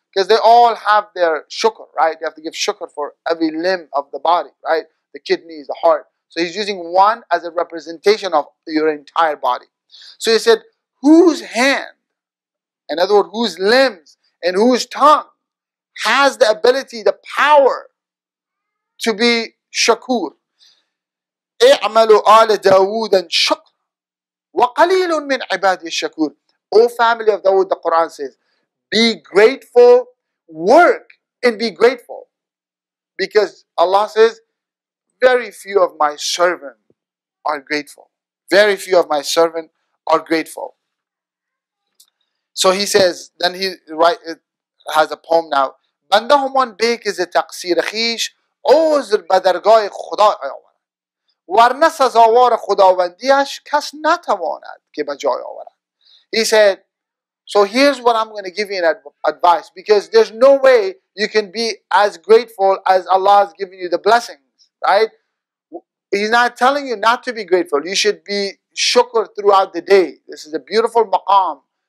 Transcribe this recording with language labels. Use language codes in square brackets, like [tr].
[en] Because they all have their shukr, right? They have to give shukr for every limb of the body, right? The kidneys, the heart. So he's using one as a representation of your entire body. So he said, whose hand, in other words, whose limbs and whose tongue has the ability, the power to be shakur? [ar] اعملوا آل داوود شكر وقليل من عباد الشكور. [en] O family of Dawood, the Quran says, be grateful, work and be grateful. Because Allah says, very few of my servants are grateful. Very few of my servants are grateful. So he says, then he has a poem now. [fa] بندهمان بیک از تقصیر خیش عذر بدرگاه خدا آورند ورنه سزاوار خداوندیش کس نتواند که بجای آورند. [en] He said, so here's what I'm going to give you an advice, because there's no way you can be as grateful as Allah has given you the blessings, right? He's not telling you not to be grateful. You should be shukr throughout the day. This is a beautiful maqam.